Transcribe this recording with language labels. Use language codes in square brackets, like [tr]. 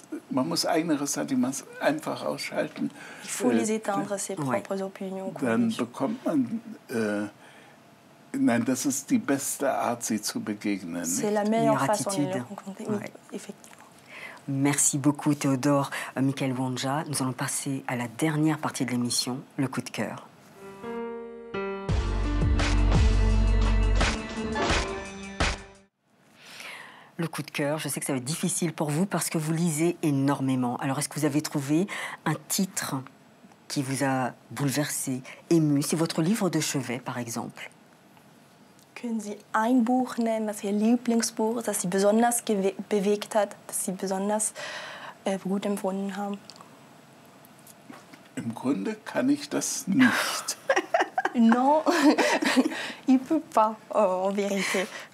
[de] Man muss eigene Ressentiments einfach ausschalten. [fr] Il faut les éteindre, ses propres opinions. [de] Dann bekommt man, nein, das ist die beste Art, sie zu begegnen. [fr] C'est la meilleure façon de les rencontrer. Oui, effectivement. Merci beaucoup, Théodore, Michael Wanja. Nous allons passer à la dernière partie de l'émission, le coup de cœur. le coup de cœur. Je sais que ça va être difficile pour vous parce que vous lisez énormément. Alors, est-ce que vous avez trouvé un titre qui vous a bouleversé, ému? C'est votre livre de chevet, par exemple. [de] Können Sie ein Buch nennen, das Ihr Lieblingsbuch, das Sie besonders bewegt hat, das Sie besonders gut empfunden haben? Im Grunde kann ich das nicht. [fr] Non, ich peux pas, en vérité.